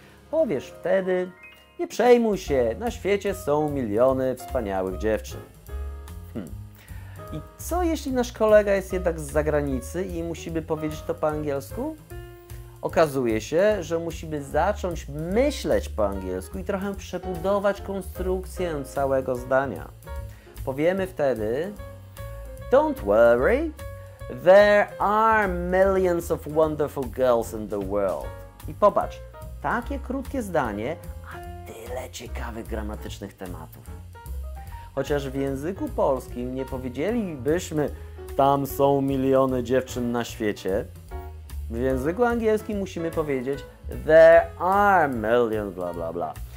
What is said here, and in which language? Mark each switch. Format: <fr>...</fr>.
<pl>Powiesz wtedy, nie przejmuj się, na świecie są miliony wspaniałych dziewczyn. I co jeśli nasz kolega jest jednak z zagranicy i musimy powiedzieć to po angielsku? Okazuje się, że musimy zacząć myśleć po angielsku i trochę przebudować konstrukcję całego zdania. Powiemy wtedy,</pl> <en>don't worry, there are millions of wonderful girls in the world.</en> <pl>I popatrz, takie krótkie zdanie, a tyle ciekawych gramatycznych tematów. Chociaż w języku polskim nie powiedzielibyśmy, tam są miliony dziewczyn na świecie, w języku angielskim musimy powiedzieć</pl> <en>there are millions, bla bla bla.</en>